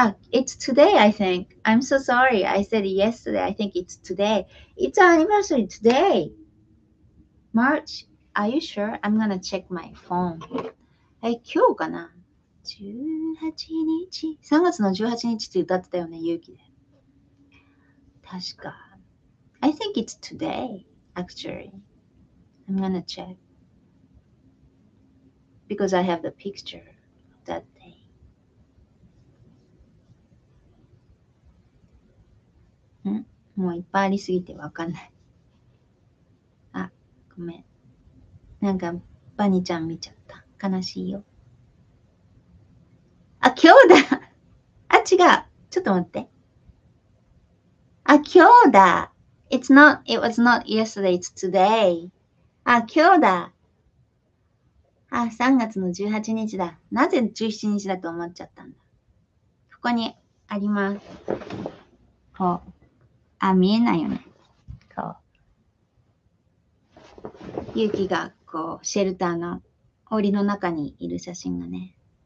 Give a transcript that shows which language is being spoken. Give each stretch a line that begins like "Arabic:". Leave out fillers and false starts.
English: It's today, I think. I'm so sorry. I said yesterday. I think it's today. It's our anniversary today. March. Are you sure? I'm going to check my phone. Hey,
Japanese: 今日かな ?18 日。 3月の18日って歌ってたよね、勇気で。確か。
English: I think it's today, actually. I'm going to check. because I have the picture of that day.
Japanese: もういっぱいありすぎてわかんない。あ、ごめん。なんか、バニちゃん見ちゃった。悲しいよ。あ、今日だ。あ、違う。ちょっと待って。あ、今日だ。
English: It's not, it was not yesterday, it's today.
Japanese: あ、今日だ。あ、3月の18日だ。なぜ17日だと思っちゃったんだ。ここにあります。こう。あ、見えないよね。こう。ユキが、こう、シェルターの檻の中にいる写真がね。